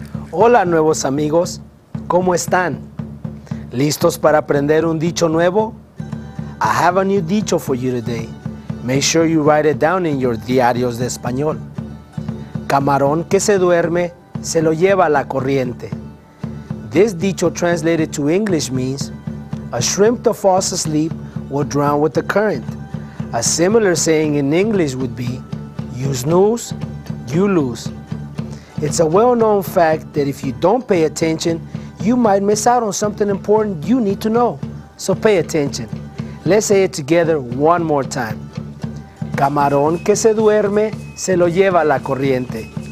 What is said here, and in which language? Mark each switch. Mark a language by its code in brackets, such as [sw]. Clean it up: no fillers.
[es] Hola, nuevos amigos. ¿Cómo están? ¿Listos para aprender un dicho nuevo? [en] I have a new dicho for you today. Make sure you write it down in your [es] diarios de español. Camarón que se duerme, se lo lleva a la corriente. [en] This dicho translated to English means, a shrimp that falls asleep will drown with the current. A similar saying in English would be, you snooze, you lose. It's a well-known fact that if you don't pay attention, you might miss out on something important you need to know. So pay attention. Let's say it together one more time. [es] Camarón que se duerme, se lo lleva la corriente.